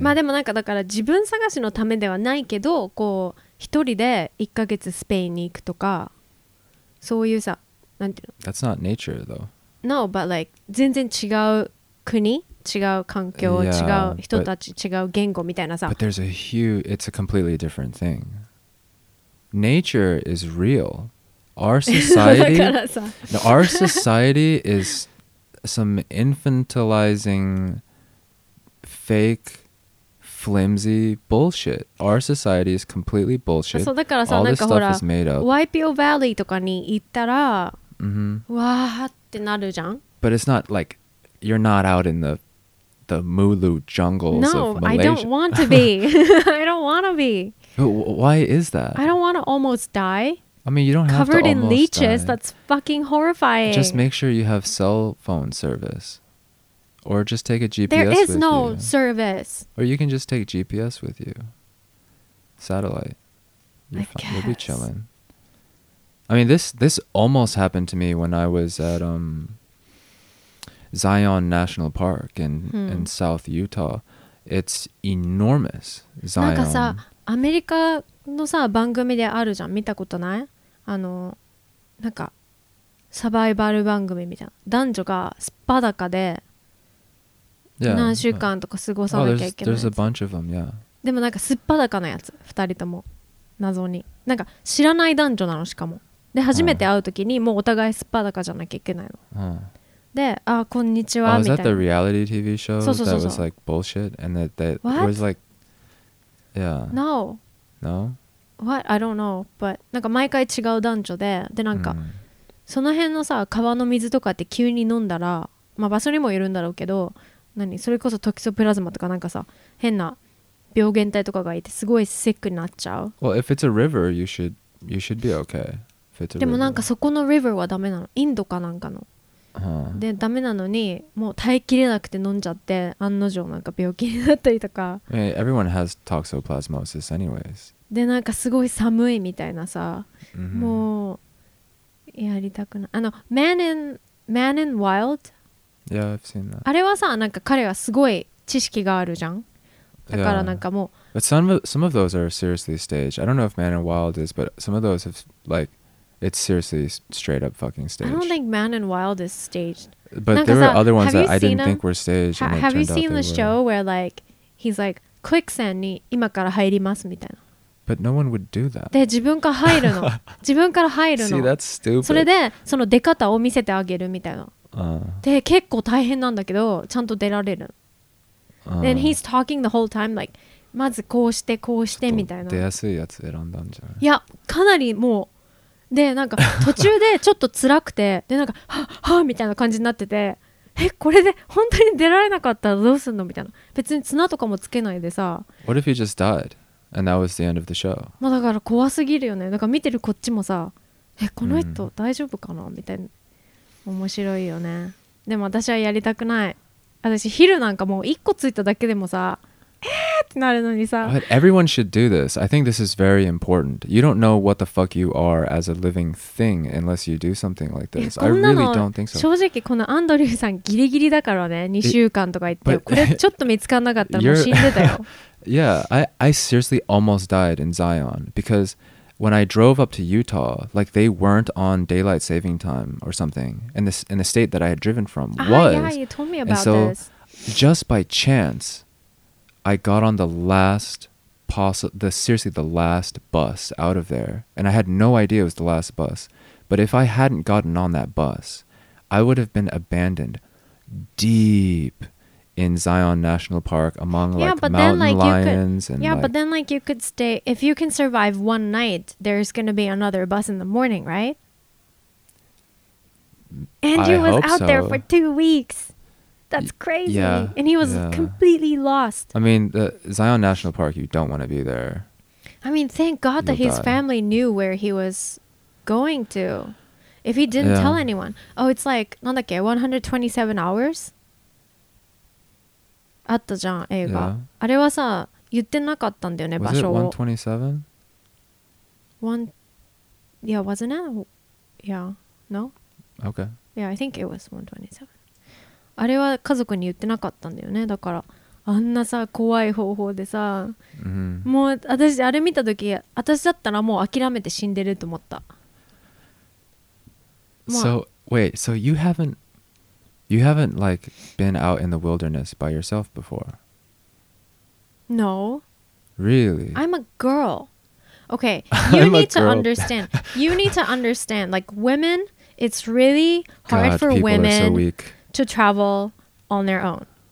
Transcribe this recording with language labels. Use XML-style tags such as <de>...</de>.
<ja>まあでもなんかだから自分探しのためではないけど、こう、一人で一ヶ月スペインに行くとか、そういうさ、なんていうの？</ja> <en>That's not nature, though. No, but like,</en> <ja>全然違う国、違う環境、</ja> <en>yeah,</en> <ja>違う人たち、違う言語みたいなさ。</ja> <en>But there's a huge, it's a completely different thing. Nature is real. Our society, no, our society is some infantilizing, fake, flimsy bullshit. Our society is completely bullshit.</en> <ja>そうだからさ、</ja> <en>All this stuff</en> <ja>なんかほら、</ja> <en>is made up.</en> <ja>Waipio Valley とかに行ったら、 mm-hmm. わーってなるじゃん。</ja> <en>But it's not like you're not out in the Mulu jungles no, of Malaysia. No, I don't want to be. I don't want to be. Why is that? I don't want to almost die. I mean, you don't have covered to almost die. Covered in leeches, die. That's fucking horrifying. Just make sure you have cell phone service. Or just take a GPS with you. There is no you. Service. Or you can just take GPS with you. Satellite. You're I fine. Guess. You'll be chilling. I mean, this almost happened to me when I was at Zion National Park in South Utah. It's enormous, Zion.</en> <ja>なんかさ、アメリカのさ、番組であるじゃん。見たことない？あの、なんか、サバイバル番組みたいな。男女がスパダカで何週間とか過ごさなきゃいけない。</ja> <en>There's a bunch of them, yeah.</en> <ja>でもなんかスパダカのやつ、二人とも。謎に。なんか知らない男女なのしかも。で初めて会うときにもうお互いすっぱだかじゃなきゃいけないの。で、あこんにちはみたいな。</ja> <en>Was that the reality TV show that was like bullshit and that What? Was like, yeah. No. No. What? I don't know. But</en> <ja>なんか毎回違う男女でなんか、mm. その辺のさ川の水とかって急に飲んだら、まあ場所にもよるんだろうけど、何それこそトキソプラズマとかなんかさ変な病原体とかがいてすごいセックになっちゃう。</ja> <en>Well, if it's a river, you should be okay.</en> <ja>でもなんかそこのリバーはダメなの、インドかなんかの、 huh. でダメなのにもう耐えきれなくて飲んじゃって案の定なんか病気になったりとか。</ja> <en>I mean, everyone has toxoplasmosis anyways.</en> <ja>でなんかすごい寒いみたいなさ、mm-hmm. もうやりたくない。あの Man in Wild?</ja> <en>Yeah, I've seen that.</en> <ja>あれはさ、なんか彼はすごい知識があるじゃん。だからなんかもう、</ja> <en>yeah. But some of those are seriously staged. I don't know if Man in Wild is, but some of those have likeIt's seriously straight up fucking staged. I don't think Man in Wild is staged. But there are other ones that I didn't think were staged. Have you seen the show were. Where like, he's like, quicksand</en> <ja>に今から入りますみたいな。</ja> <en>But no one would do that.</en> <ja>で、自分から入るの。自分から入るの。</ja> <en>See, that's stupid.</en> <ja>それで、その出方を見せてあげるみたいな。で、結構大変なんだけど、ちゃんと出られる。</ja> <en>And he's talking the whole time like,</en> <ja>まずこうしてこうしてみたいな。出やすいやつ選んだんじゃない？いや、かなりもう、でなんか途中でちょっと辛くてでなんかはっはっみたいな感じになってて、えこれで本当に出られなかったらどうすんのみたいな。別に綱とかもつけないでさ。</ja> <en>What if you just died and that was the end of the show?</en> <ja>まあだから怖すぎるよね。なんか見てるこっちもさ、えこの人大丈夫かなみたいな。面白いよね。でも私はやりたくない。私ヒルなんかもう一個ついただけでもさ、えーっってなるのにさ。</ja> <en>But everyone should do this. I think this is very important. You don't know what the fuck you are as a living thing unless you do something like this. I really don't think so.</en> <ja>正直このアンドリューさんギリギリだからね。2週間とか言って、これちょっと見つからなかったらもう死んでたよ。</ja> <en>Yeah, I seriously almost died in Zion because when I drove up to Utah, like they weren't on daylight saving time or something, and this in the state that I had driven from was. Ah, yeah, you told me about this. And so, just by chance, I got on the last possible, the last bus out of there, and I had no idea it was the last bus. But if I hadn't gotten on that bus, I would have been abandoned deep. In Zion National Park, among like mountain lions, and yeah, but then like you could stay if you can survive one night. There's gonna be another bus in the morning, right? Andrew was out there for 2 weeks. That's crazy. Yeah, and he was completely lost. I mean, the Zion National Park, you don't want to be there. I mean, thank God that his family knew where he was going to. If he didn't tell anyone, oh, it's like 127 hours.</en> <ja>あったじゃん映画、yeah. あれはさ言ってなかったんだよね場所を</ja> <en>was it 127? One... yeah wasn't it? yeah no? okay yeah I think it was 127</en> <ja>あれは家族に言ってなかったんだよねだからあんなさ怖い方法でさ、 mm-hmm. もう私あれ見た時私だったらもう諦めて死んでると思った、</ja> <en>まあ、so wait so you haventYou haven't, like, been out in the wilderness by yourself before? No. Really? I'm a girl. Okay, you need to understand. You need to understand, like, women, it's really hard for women to travel on their own.</en>